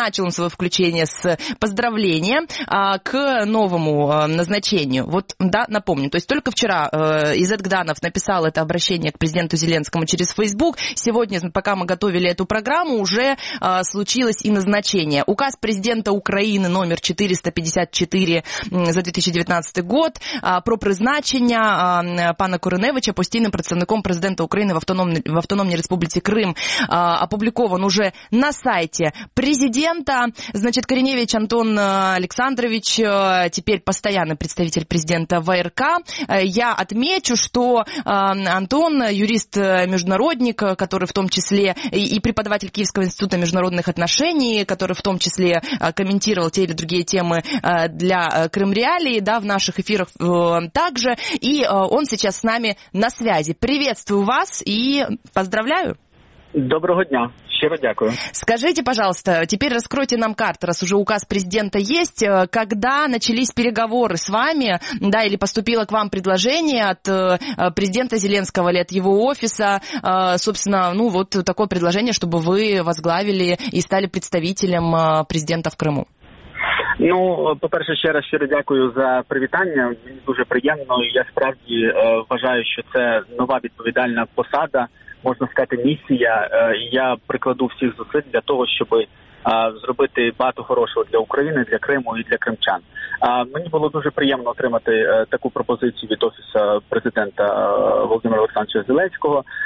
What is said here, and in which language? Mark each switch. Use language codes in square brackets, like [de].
[ru] Начал он свое включение с поздравления к новому назначению. Вот, да, напомню, то есть только вчера Изет Гданов написал это обращение к президенту Зеленскому через Facebook. Сегодня, пока мы готовили эту программу, уже случилось и назначение. Указ президента Украины номер 454 за 2019 год [uk] про призначення пана Кореневича постійним представником президента України в Автономній Республіці Крим [ru] опубликован уже на сайте президента. Значит, Кореневич Антон Александрович теперь постоянный представитель президента ВРК. Я отмечу, что Антон, юрист-международник, который в том числе и преподаватель Киевского института международных отношений, который в том числе комментировал те или другие темы для Крым Реалии, да, в наших эфирах также, и он сейчас с нами на связи. Приветствую вас и поздравляю. [uk] Доброго дня. Щиро дякую. [ru] Скажите, пожалуйста, теперь раскройте нам карту, раз уже указ президента есть. Когда начались переговоры с вами, да, или поступило к вам предложение от президента Зеленского или от его офиса, собственно, ну вот такое предложение, чтобы вы возглавили и стали представителем президента в Крыму? [uk] Ну, по-перше, ще раз щиро дякую за привітання. Мені дуже приємно. Я справді вважаю, що це нова відповідальна посада, можна сказати, місія. Я прикладу всіх зусиль для того, щоб зробити багато хорошого для України, для Криму і для кримчан. Мені було дуже приємно отримати таку пропозицію від офісу президента Володимира Олександровича Зеленського.